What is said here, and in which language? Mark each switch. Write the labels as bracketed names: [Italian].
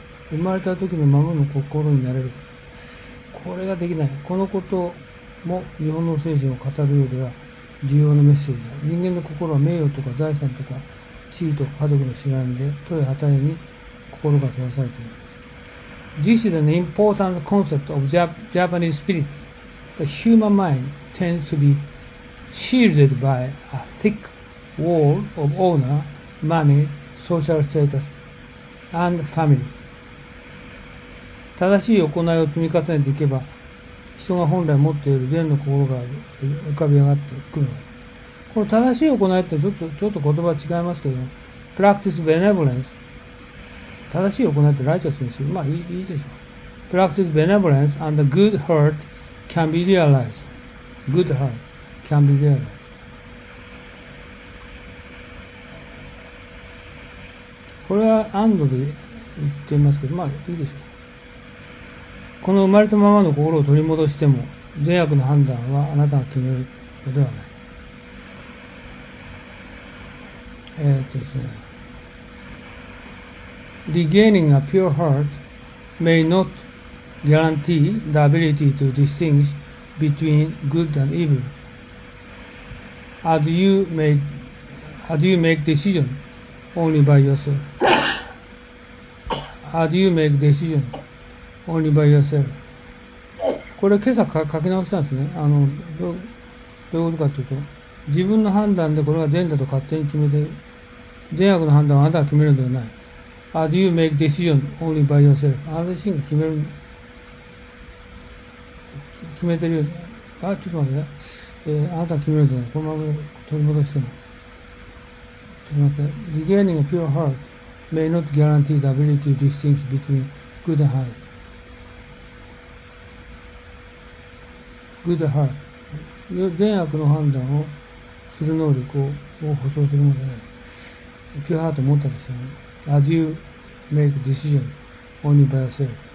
[Japanese] 生まれた時のままの心になれる。これができない。このことも日本の精神を語るようでは重要なメッセージだ。人間の心は名誉とか財産とか地位とか家族の知らないで、とや旗に心が閉ざされている。 [English] This is an important concept of Japanese spirit. The human mind tends to be shielded by a thick wall of honor, money, social status, and family. [Japanese] 正しい行いを積み重ねていけば、人が本来持っている善の心が浮かび上がってくるの。この正しい行いってちょっと言葉は違いますけど、 [English] practice benevolence。 [Japanese] 正しい行いってライチャスにする。まあいいでしょう。 [English] practice benevolence and a good heart can be realized. Good heart can be realized. [Japanese] これはアンドで言っていますけど、まあいいでしょう。この生まれたままの心を取り戻しても、善悪の判断はあなたが決めるのではない。ですね。 [English] Regaining a pure heart may not guarantee the ability to distinguish between good and evil. As you make decision only by yourself. How do you make decision only by yourself? [Japanese] これ今朝書き直したんですね。どういうことかというと、自分の判断でこれが善だと勝手に決めて、善悪の判断はあなたが決めるのではない。 [English] How do you make decision only by yourself? [Japanese] あなた自身が決める。決めてるよ。あ、ちょっと待って、あなたが決めるのではない。このまま取り戻しても。ちょっと待って。 [English] Regaining a pure heart. May not guarantee the ability to distinguish between good and hard. Good and hard. [Japanese] 善悪の判断をする能力を保証するので、ね、ピュアハートを持ったとしても、 [English] As you make decision only by yourself.